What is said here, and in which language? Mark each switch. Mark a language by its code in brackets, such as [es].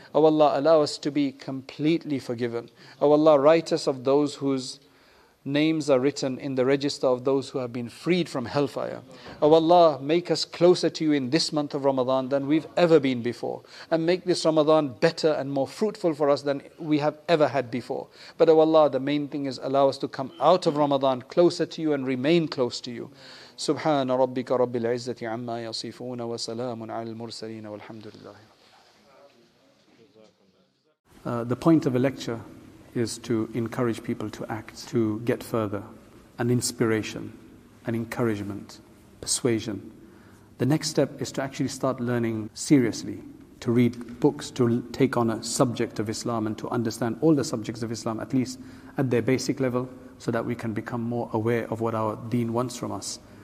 [en] Oh Allah, allow us to be completely forgiven. Oh Allah, write us of those whose names are written in the register of those who have been freed from hellfire. Oh Allah, make us closer to you in this month of Ramadan than we've ever been before. And make this Ramadan better and more fruitful for us than we have ever had before. But oh Allah, the main thing is allow us to come out of Ramadan closer to you and remain close to you. [ar] سبحان ربك رب العزة عما يصفون وسلام على المرسلين والحمد لله. [en] The point of a lecture is to encourage people to act, to get further, an inspiration, an encouragement, persuasion. The next step is to actually start learning seriously, to read books, to take on a subject of Islam and to understand all the subjects of Islam, at least at their basic level, so that we can become more aware of what our deen wants from us.